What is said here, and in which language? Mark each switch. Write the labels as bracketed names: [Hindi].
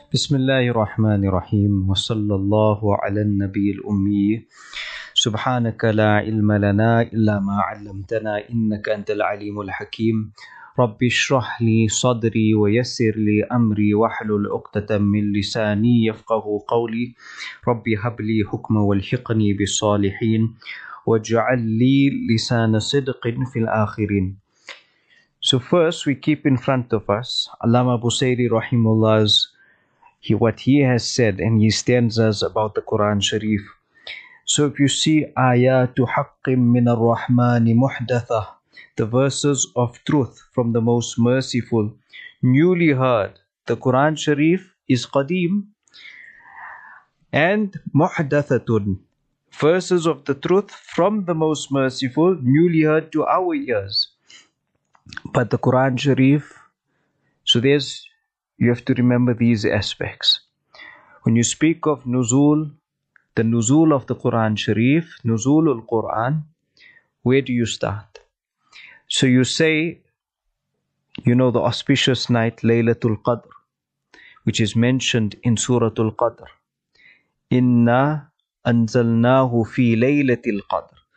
[Arabic] بسم الله الرحمن الرحيم وصلى الله على النبي الأمي سبحانك لا علم لنا إلا ما علمتنا إنك أنت العليم الحكيم رب اشرح لي صدري ويسر لي أمري واحلل عقدة من لساني يفقه قولي رب هب لي حكما والحقني بالصالحين وَجْعَلْ لِي لِسَانَ صِدْقٍ فِي الْآخِرِينَ. [English] So first, we keep in front of us Allama Busayri Rahimullah's what he has said in his stanzas about the Quran Sharif. So if you see [Arabic] آيَاتُ حَقٍ مِّنَ الرَّحْمَنِ مُحْدَثَةً, [English] the verses of truth from the Most Merciful, newly heard, the Quran Sharif is قَدِيم and مُحْدَثَةٌ, verses of the truth from the Most Merciful, newly heard to our ears. But the Quran Sharif, so there's, you have to remember these aspects. When you speak of Nuzul, the Nuzul of the Quran Sharif, Nuzul al-Quran, where do you start? So you say, you know, the auspicious night Laylatul Qadr, which is mentioned in Surah Al-Qadr. [Arabic] Inna أَنزَلْنَاهُ فِي لَيْلَةِ الْقَدْرِ.